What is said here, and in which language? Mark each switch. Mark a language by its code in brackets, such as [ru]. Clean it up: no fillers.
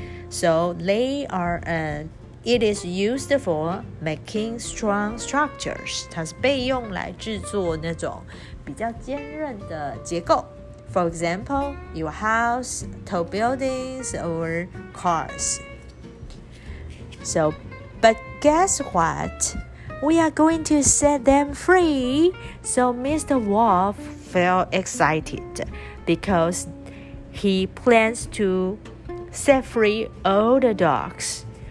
[en] So they are, it is used for making strong structures. [zh] 它是被用来制作那种比较坚韧的结构。 [en] For example, your house, tall buildings, or cars. So, but guess what? We are going to set them free. So Mr. Wolf felt excited because he plans to set free all the dogs.